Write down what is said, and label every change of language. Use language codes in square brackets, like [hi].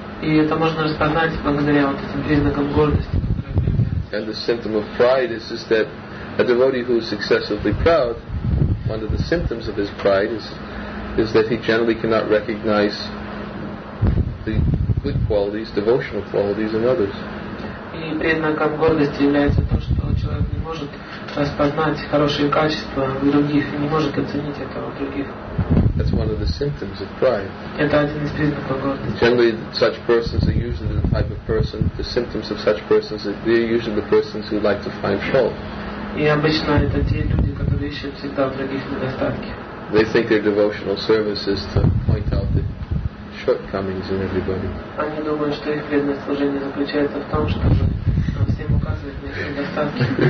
[en] And the symptom of pride is just that a devotee who is excessively proud, one of the symptoms of his pride is that he generally cannot recognize the good qualities, devotional qualities in others. [ru] И признаком гордости является то, что человек не может распознать хорошие качества в других и не может оценить это в других. [en] That's one of the symptoms of pride. [ru] Это один из признаков гордости. [en] Generally, such persons are usually the type of person. The symptoms of such persons are they're usually the persons who like to find fault. [ru] И обычно это те люди, которые ищут всегда в других недостатки. [en] They think their devotional service is to point out the shortcomings in everybody. [ru] Они думают, что их преданное служение заключается в том, чтобы всем указывать на их недостатки.